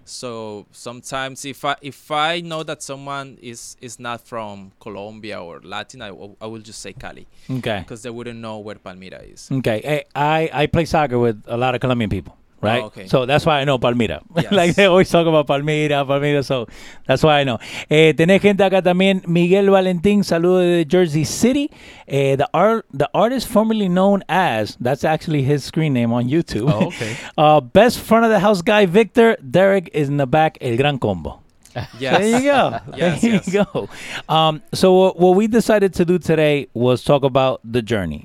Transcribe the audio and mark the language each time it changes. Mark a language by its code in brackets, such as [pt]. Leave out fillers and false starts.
[en] So sometimes if I know that someone is not from Colombia or Latin, I will just say Cali. Okay. Because they wouldn't know where Palmira is. Okay. I play soccer with a lot of Colombian people, right? Oh, okay. So that's why I know Palmira. Yes. Like, they always talk about Palmira, so that's why I know. [es] Tenés gente acá también, Miguel Valentín, saludo de Jersey City. [en] The artist formerly known as, that's actually his screen name on YouTube. Oh, okay. Best front of the house guy, Victor. Derek is in the back, El Gran Combo. Yes. There you go. Yes. So what we decided to do today was talk about the journey.